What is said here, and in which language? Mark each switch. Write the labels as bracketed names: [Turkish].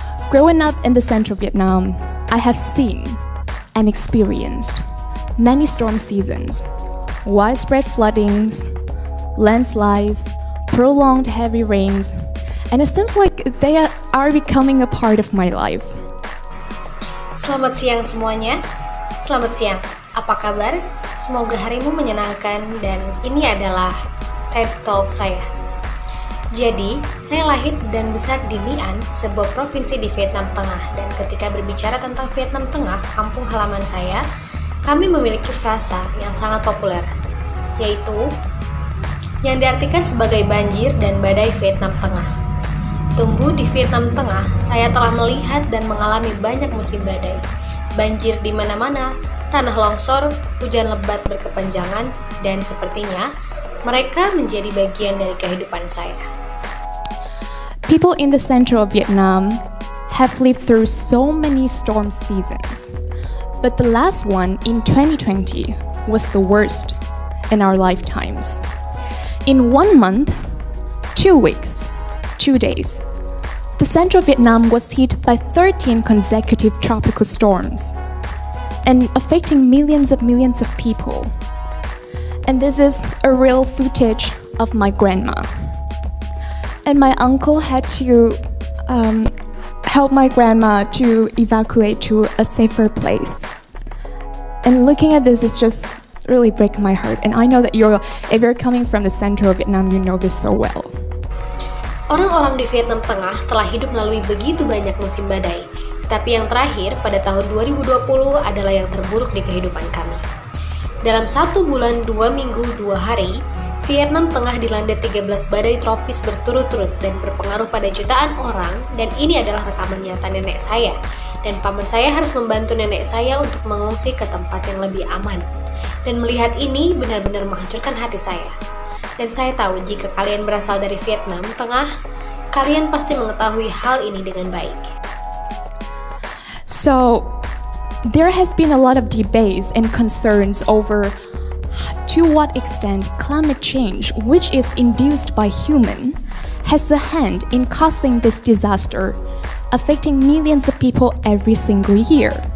[English] Growing up in the central Vietnam, I have seen and experienced many storm seasons, widespread floodings, landslides, prolonged heavy rains, and it seems like they are becoming a part of my life. [Indonesian] Selamat siang semuanya. Selamat siang. Apa kabar? Semoga harimu menyenangkan dan ini adalah TED Talk saya. Jadi, saya lahir dan besar di Nghệ An, sebuah provinsi di Vietnam Tengah. Dan ketika berbicara tentang Vietnam Tengah, kampung halaman saya, kami memiliki frasa yang sangat populer, yaitu yang diartikan sebagai banjir dan badai Vietnam Tengah. Tumbuh di Vietnam Tengah, saya telah melihat dan mengalami banyak musim badai. Banjir di mana-mana, tanah longsor, hujan lebat berkepanjangan, dan sepertinya mereka menjadi bagian dari kehidupan saya. [English] People in the central of Vietnam have lived through so many storm seasons, but the last one in 2020 was the worst in our lifetimes. In 1 month, 2 weeks, 2 days, the central Vietnam was hit by 13 consecutive tropical storms and affecting millions of people. And this is a real footage of my grandma. And my uncle had to help my grandma to evacuate to a safer place. And looking at this, it just really break my heart. And I know that if you're coming from the center of Vietnam, you know this so well. [Indonesian] Orang-orang di Vietnam Tengah telah hidup melalui begitu banyak musim badai. Tapi yang terakhir pada tahun 2020 adalah yang terburuk di kehidupan kami. Dalam 1 bulan 2 minggu 2 hari, Vietnam Tengah dilanda 13 badai tropis berturut-turut dan berpengaruh pada jutaan orang, dan ini adalah rekaman nyata nenek saya. Dan paman saya harus membantu nenek saya untuk mengungsi ke tempat yang lebih aman. Dan melihat ini benar-benar menghancurkan hati saya. Dan saya tahu jika kalian berasal dari Vietnam Tengah, kalian pasti mengetahui hal ini dengan baik. [English] So, there has been a lot of debates and concerns over to what extent climate change, which is induced by human, has a hand in causing this disaster, affecting millions of people every single year.